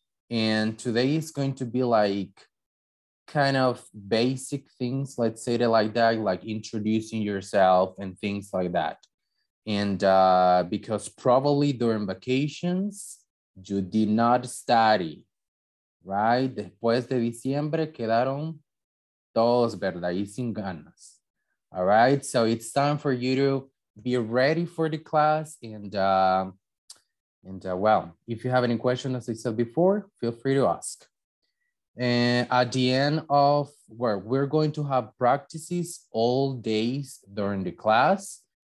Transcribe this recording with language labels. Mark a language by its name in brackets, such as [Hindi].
[English] And today is going to be like kind of basic things, let's say it like that, like introducing yourself and things like that. And because probably during vacations, you did not study, right? [Spanish] Después de diciembre quedaron todos, ¿verdad? Y sin ganas. [English] All right, so it's time for you to be ready for the class, and well, if you have any questions, as I said before, feel free to ask. And at the end of where we're going to have practices all days during the class.